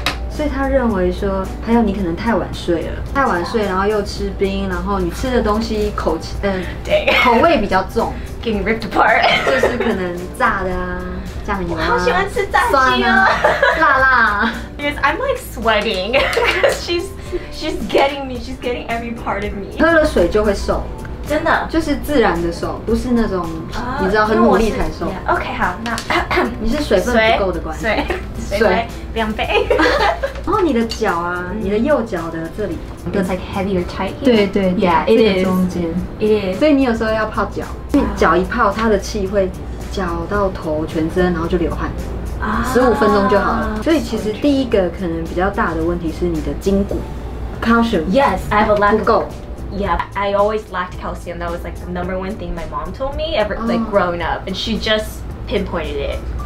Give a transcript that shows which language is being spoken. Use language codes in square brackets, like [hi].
[zh] 所以他认为说，还有你可能太晚睡了，太晚睡，然后又吃冰，然后你吃的东西口味比较重 [en] ，getting ripped apart， [zh] 就是可能炸的啊，酱油啊，好喜欢吃炸鸡啊，蒜啊辣辣、啊。 [en] Because I'm like sweating, because she's getting me, she's getting every part of me。 [zh] 喝了水就会瘦，真的，就是自然的瘦，不是那种、你知道很努力才瘦。 [en] Yeah. OK， [zh] 好，那你是水分不够的关系。水两杯，然后你的脚啊，你的右脚的这里 [en] ，It's like heavy or tight here. [zh] 对对 [en] ，Yeah，it is. [zh] 中间 [en] ，It is. [zh] 所以你有时候要泡脚，因为脚一泡，它的气会脚到头全身，然后就流汗，15分钟就好了。所以其实第一个可能比较大的问题是你的筋骨 ，Calcium. [en] Yes, I have a lack. [zh] 不够。 [en] Yeah, I always lacked calcium. That was like the number one thing my mom told me ever, like growing up, and she just pinpointed it.